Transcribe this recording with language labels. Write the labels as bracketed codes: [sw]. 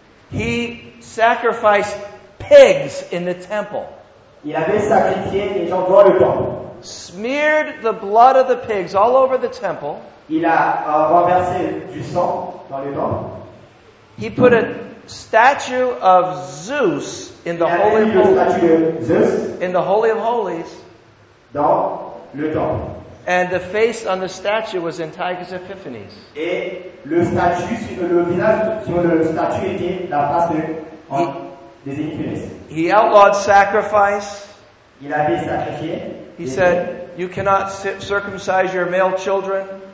[en] He sacrificed pigs in the temple. Smeared the blood of the pigs all over the temple. [fr] Il a renversé du sang dans le temple. [en] He put a statue of Zeus in the holy of holies. In the holy of holies. [fr] Dans le temple. [en] And the face on the statue was Antiochus Epiphanes. [fr] Et le statue sur le visage sur le statue était la face de des Épiphanes. [en] He outlawed sacrifice. He said, you cannot circumcise your male children.